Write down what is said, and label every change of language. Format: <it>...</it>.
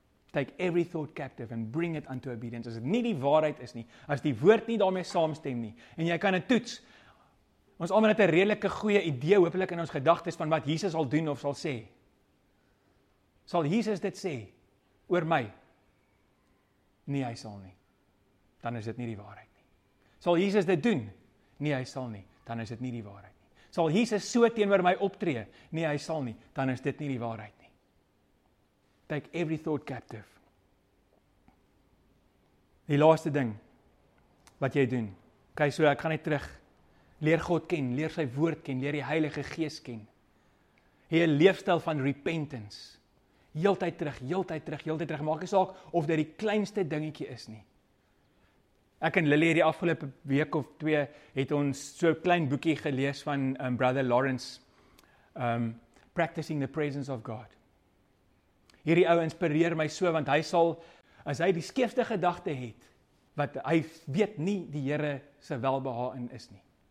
<en>Take every thought captive and bring it unto obedience.</en> <af>As dit nie die waarheid is nie, as die woord nie daarmee saamstem nie, en jy kan het toets, ons almal het 'n redelike goeie idee, hopelik in ons gedagtes van wat Jesus sal doen of sal sê. Sal Jesus dit sê, oor my? Nee, hy sal nie. Dan is dit nie die waarheid nie. Sal Jesus dit doen? Nee, hy sal nie. Dan is dit nie die waarheid nie. Sal Jesus so teenoor my optree? Nee, hy sal nie. Dan is dit nie die waarheid nie.</af> <en>Take every thought captive.</en> <af>Die laaste ding, wat jy doen. Okay, so ek gaan nie terug. Leer God ken, leer sy woord ken, leer die Heilige Gees ken. Hee een leefstijl van repentance. Heeltyd terug, heeltyd terug, heeltyd terug. Maak nie saak of dit die kleinste dingetjie is nie. Ek en Lily die afgelope week of twee het ons so klein boekie gelees van Brother Lawrence, Practicing the Presence of God. Hierdie ou inspireer my so, want hy sal, as hy die skeefste gedagte het, wat hy weet nie die Here se welbeha in is nie.</af>